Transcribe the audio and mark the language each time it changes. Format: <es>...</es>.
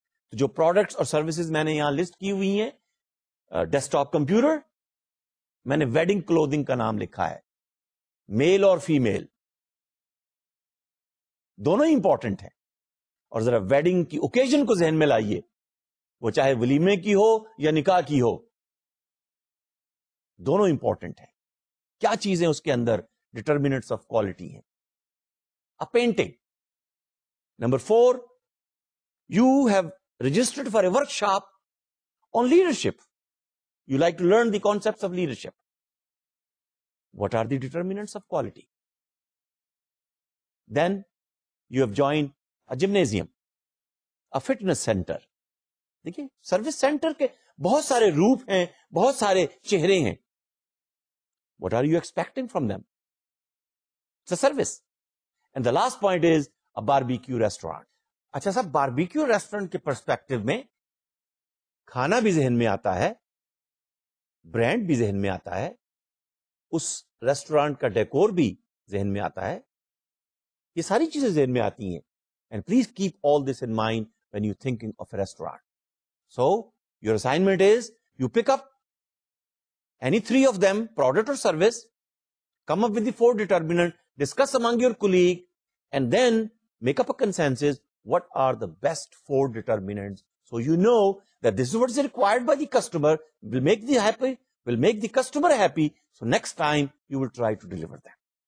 <ur>تو جو پروڈکٹس اور سروسز میں نے یہاں لسٹ کی ہوئی ہیں, ڈیسک ٹاپ کمپیوٹر, میں نے ویڈنگ کلوتھنگ کا نام لکھا ہے, میل اور فیمیل دونوں امپورٹنٹ ہیں. اور ذرا ویڈنگ کی اوکیزن کو ذہن میں لائیے, وہ چاہے ولیمے کی ہو یا نکاح کی ہو, دونوں امپورٹنٹ ہیں. کیا چیزیں اس کے اندر</ur> <en>determinants of quality</en> <ur>ہیں.</ur> <en>A painting. Number four, you have registered for a workshop on leadership. You like to learn the concepts of leadership. What are the determinants of quality? Then you have joined a gymnasium, a fitness center.</en> <ur>دیکھیں service center کے بہت سارے روپ ہیں, بہت سارے چہرے ہیں.</ur> <en>What are you expecting from them? It's a service. And the last point is a barbecue restaurant.</en> <ur>اچھا صاحب, barbecue restaurant کے perspective میں کھانا بھی ذہن میں آتا ہے, برانڈ بھی ذہن میں آتا ہے, اس ریسٹورانٹ کا ڈیکور بھی ذہن میں آتا ہے, یہ ساری چیزیں ذہن میں آتی ہیں.</ur> <en>And please keep all this in mind when you're thinking of a restaurant. So, your assignment is, you pick up any three of them, product or service, come up with the four determinant, discuss among your colleague, and then make up a consensus, what are the best four determinants, so you know that this is what is required by the customer, will make the happy, will make the customer happy, so next time you will try to deliver them.</en>